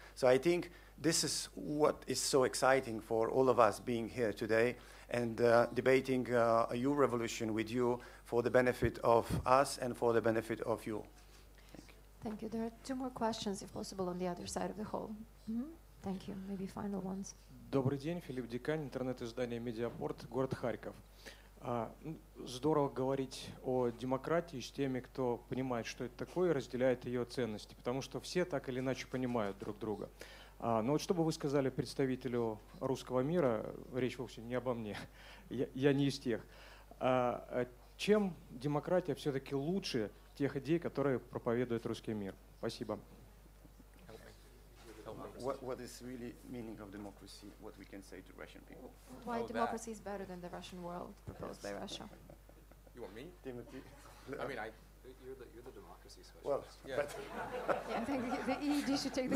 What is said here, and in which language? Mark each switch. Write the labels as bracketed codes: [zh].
[en] So I think this is what is so exciting for all of us being here today and debating your revolution with you for the benefit of us and for the benefit of you. Thank you. There are two more questions, if possible, on the other side of the hall. Mm-hmm. Thank you. Maybe final ones. [ru] Добрый день, Филипп Дикань, интернет-издание «Медиапорт», город Харьков. Здорово говорить о демократии с теми, кто понимает, что это такое, и разделяет ее ценности, потому что все так или иначе понимают друг друга. Но вот что бы вы сказали представителю русского мира, речь вовсе не обо мне, я не из тех, чем демократия все-таки лучше тех идей, которые проповедует русский мир? Спасибо. [en] What is really meaning of democracy, what we can say to Russian people? Why oh, democracy that. Is better than the Russian world proposed by Russia. You want me? Timothy? I mean, you're the democracy specialist. Well, yeah. Yeah, I think the EED should take the